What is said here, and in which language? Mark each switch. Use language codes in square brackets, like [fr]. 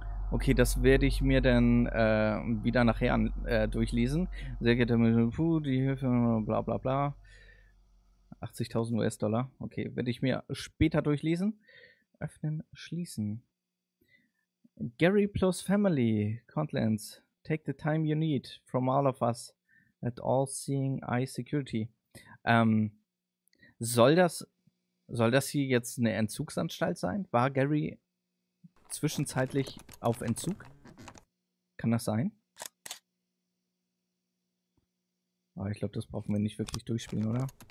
[de] Okay, das werde ich mir dann wieder nachher durchlesen. Sehr geehrter Mr. Puh, die Hilfe, bla bla bla. 80.000 US-Dollar. Okay, werde ich mir später durchlesen. Öffnen, schließen. [en] Gary plus Family, Contlands. Take the time you need from all of us. At all seeing eye security. [de] Soll das hier jetzt eine Entzugsanstalt sein? War Gary zwischenzeitlich auf Entzug? Kann das sein? Oh, ich glaube, das brauchen wir nicht wirklich durchspielen, oder?